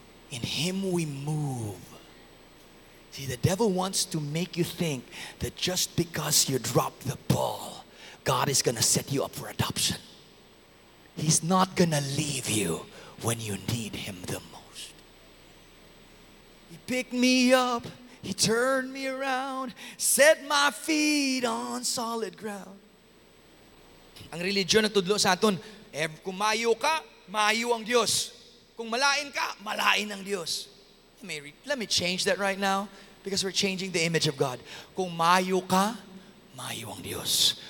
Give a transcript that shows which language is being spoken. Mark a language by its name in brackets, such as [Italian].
[English] In him we move. See, the devil wants to make you think that just because you drop the ball, God is going to set you up for adoption. He's not going to leave you when you need him the most. He picked me up. He turned me around. Set my feet on solid ground. [Hiligaynon] Ang religion na tudlo sa aton, kung mayo ka, mayo ang Diyos. Kung malain ka, malain ang Diyos. [English] Let me change that right now because we're changing the image of God. [Hiligaynon] Kung mayo ka, mayo ang Diyos.